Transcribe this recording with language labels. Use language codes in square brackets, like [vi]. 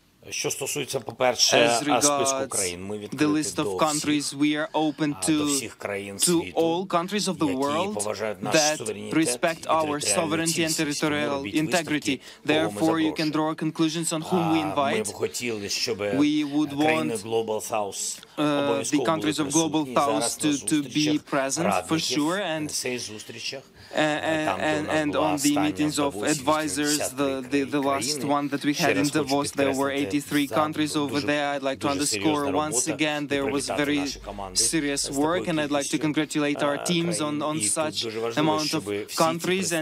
[uk] Що стосується, по-перше, списку країн, ми відкриті до всіх країн світу, які поважають наш суверенітет і територіальну цілісність. [en] Therefore, you can draw conclusions on whom we invite. [uk] Ми б хотіли, щоб країни Global South обов'язково були присутні зараз на зустрічах радників, and цей зустрічах. [en] And on the meetings of advisors, the last one that we had in Davos, there were 83 countries over there. I'd like to underscore once again, there was very serious work, and I'd like to congratulate our teams on such amount of countries.